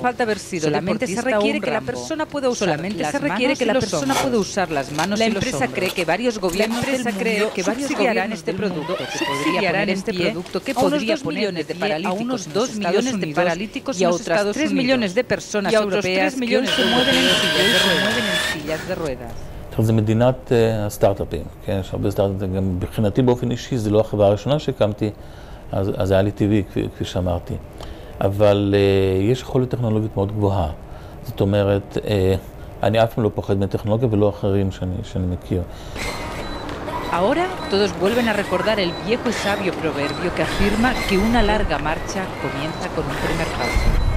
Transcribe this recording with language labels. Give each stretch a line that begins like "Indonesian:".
Spanish: Solamente se requiere que la persona pueda usar las manos. La empresa cree que varios gobiernos subsidiarán este producto que podría poner en pie a unos 2 millones de paralíticos y a otras 3 millones de personas europeas que se mueven en sillas de ruedas.
Hebrew: עכשיו, זה מדינת הסטארט-אפים, כן? יש הרבה סטארט-אפים, גם מבחינתי באופן אישי, זה לא החברה הראשונה שהקמתי, אז זה היה לי טבעי, כפי שאמרתי. אבל יש יכולת טכנולוגית מאוד גבוהה. זאת אומרת, אני אף פעם לא פוחד מטכנולוגיה ולא אחרים שאני מכיר.
Spanish: Ahora todos vuelven a recordar el viejo y sabio proverbio que afirma que una larga marcha comienza con un primer paso.